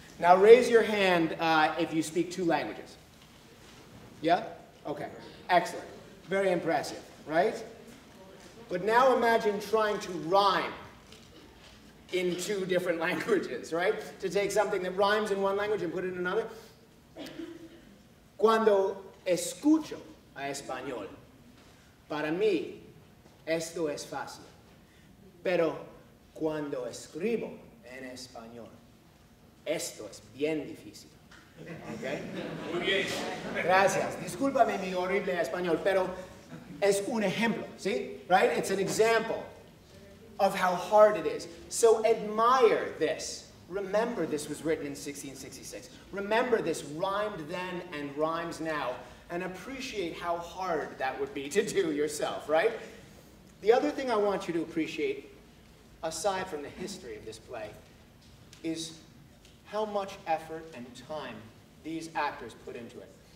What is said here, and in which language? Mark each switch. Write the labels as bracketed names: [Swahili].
[English] Now raise your hand if you speak two languages. Yeah? Okay, excellent. Very impressive, right? But now imagine trying to rhyme in two different languages, right? To take something that rhymes in one language and put it in another. [Spanish] Cuando escucho a español, para mí, esto es fácil. Pero cuando escribo en español, esto es bien difícil. [English] Okay? [Spanish] Muy bien. Gracias. Discúlpame mi horrible español, pero es un ejemplo, ¿sí? [English] Right? It's an example of how hard it is. So admire this. Remember this was written in 1666. Remember this rhymed then and rhymes now, and appreciate how hard that would be to do yourself, right? The other thing I want you to appreciate, aside from the history of this play, is how much effort and time these actors put into it.